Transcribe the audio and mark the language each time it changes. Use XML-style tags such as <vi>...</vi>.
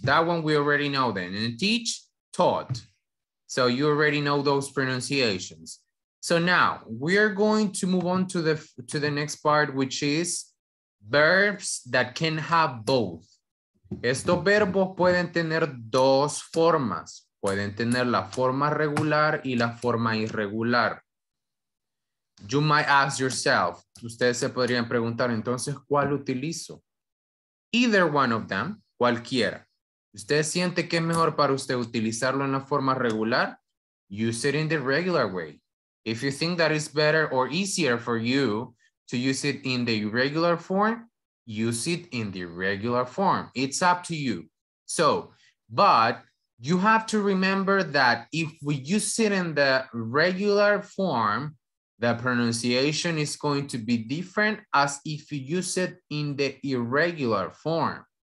<en>That one we already know then. And teach, taught. So you already know those pronunciations. So now we are going to move on to the next part, which is verbs that can have both.</en> <es>Estos verbos pueden tener dos formas. Pueden tener la forma regular y la forma irregular. You might ask yourself, ustedes se podrían preguntar, entonces, ¿cuál utilizo? Either one of them, cualquiera. ¿Usted siente que es mejor para usted utilizarlo en la forma regular?</es> <en>Use it in the regular way. If you think that it's better or easier for you to use it in the irregular form, use it in the regular form. It's up to you. So, but you have to remember that if we use it in the regular form, the pronunciation is going to be different as if you use it in the irregular form.</en>